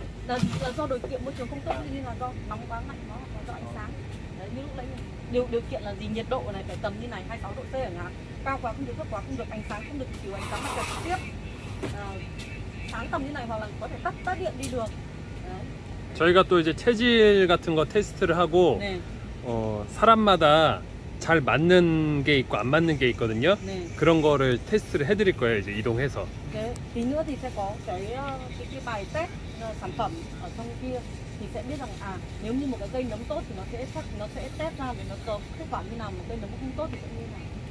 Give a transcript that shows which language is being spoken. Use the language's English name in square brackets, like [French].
[Vietnamese] Là do điều kiện môi trường không tốt, nên là do nóng quá mạnh nó, do ánh sáng. Đấy, như lúc đấy điều kiện là gì, nhiệt độ này phải tầm như này 26 độ C chẳng hạn, cao quá không được, thấp quá không được, ánh sáng không được, chiếu ánh sáng mặt trời trực tiếp, sáng tầm như này, hoặc là có thể tắt điện đi được. Đấy. [Korean] 저희가 또 이제 체질 같은 거 테스트를 하고 네. 사람마다 잘 맞는 게 있고 안 맞는 게 있거든요. 네. 그런 거를 테스트를 해드릴 거예요. 이제 이동해서. 네. 비누가 이제 거 저희 바이 때 [Vietnamese] sản phẩm ở trong kia thì sẽ biết rằng nếu như một cái cây nấm tốt thì nó sẽ test ra để nó có kết quả như nào, một cây nấm không tốt thì sẽ như nào.